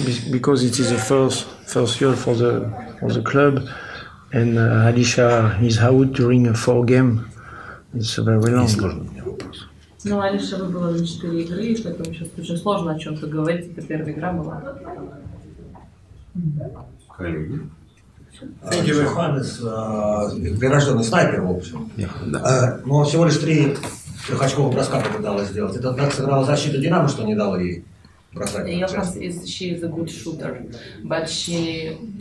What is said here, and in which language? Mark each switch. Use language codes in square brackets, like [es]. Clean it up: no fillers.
[en] Because it is the first year for the club, and Alisha is out during a four game It's a very long. [ru] Сложный мне вопрос. Ну, Алиша, вы было за 4 игры, поэтому сейчас очень сложно о чем-то говорить. Это первая игра была. Коллеги. [en] Thank you, Johannes. [ru] Граждан снайпер, в общем. Но всего лишь 3 трехочковых броска пыталась сделать. Это так сыграла защита Динамо, что не дала ей бросать. [en] Johannes is, she is a good shooter, but she...